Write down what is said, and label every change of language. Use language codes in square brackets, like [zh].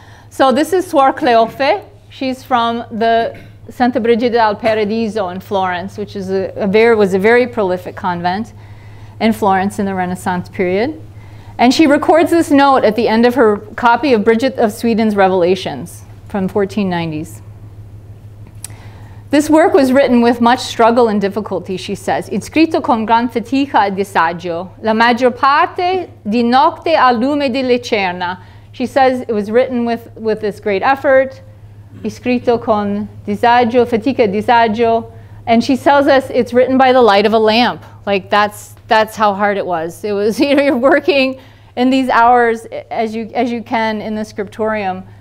[en] So this is Suor Cleofe. She's from the Santa Brigida al Paradiso in Florence, which is was a very prolific convent in Florence in the Renaissance period. And she records this note at the end of her copy of Bridget of Sweden's Revelations from 1490s. This work was written with much struggle and difficulty, she says. [it] Inscritto con gran fatica e disagio, la maggior parte di notte al lume di lucerna. [en] She says it was written with this great effort. [it] Inscritto con disagio, fatica e disagio. [en] And she tells us it's written by the light of a lamp. Like that's how hard it was. It was, you know, you're working in these hours as you can in the scriptorium.